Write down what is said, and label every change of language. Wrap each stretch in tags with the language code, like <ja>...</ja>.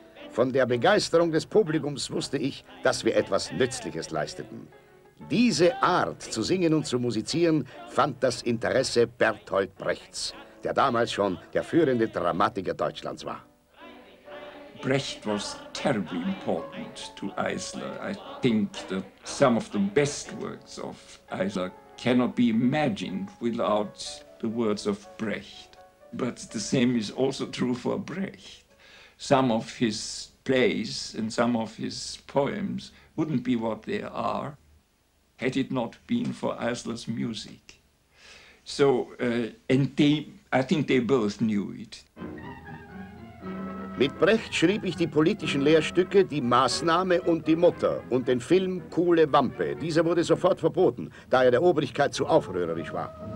<de>Von der Begeisterung des Publikums wusste ich, dass wir etwas Nützliches leisteten. Diese Art zu singen und zu musizieren fand das Interesse Bertolt Brechts, der damals schon der führende Dramatiker Deutschlands war. Freilich,</de> <en>Brecht was terribly important to Eisler. I think that some of the best works of Eisler cannot be imagined without the words of Brecht. But the same is also true for Brecht. Some of his plays and some of his poems wouldn't be what they are had it not been for Eisler's music. So, and they, I think they both knew it.</en> <de>Mit Brecht schrieb ich die politischen Lehrstücke Die Maßnahme und die Mutter und den Film Coole Wampe. Dieser wurde sofort verboten, da er der Obrigkeit zu aufrührerisch war.</de>